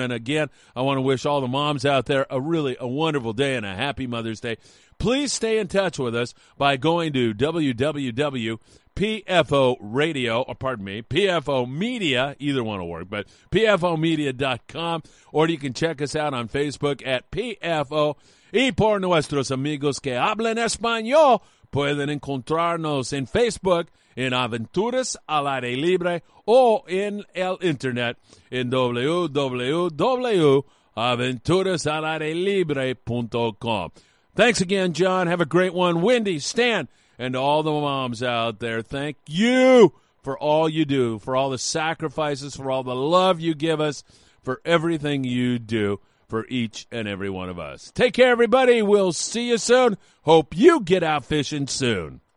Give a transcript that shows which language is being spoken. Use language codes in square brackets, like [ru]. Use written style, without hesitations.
[en] And again, I want to wish all the moms out there a really a wonderful day and a happy Mother's Day. Please stay in touch with us by going to PFO Media, either one will work, but PFOmedia.com, or you can check us out on Facebook at PFO. [es] Y por nuestros amigos que hablan español, pueden encontrarnos en Facebook en Aventuras al Aire Libre o en el Internet en www.aventurasalairelibre.com. [en] Thanks again, John. Have a great one. Wendy, Stan, and all the moms out there, thank you for all you do, for all the sacrifices, for all the love you give us, for everything you do for each and every one of us. Take care, everybody. We'll see you soon. Hope you get out fishing soon.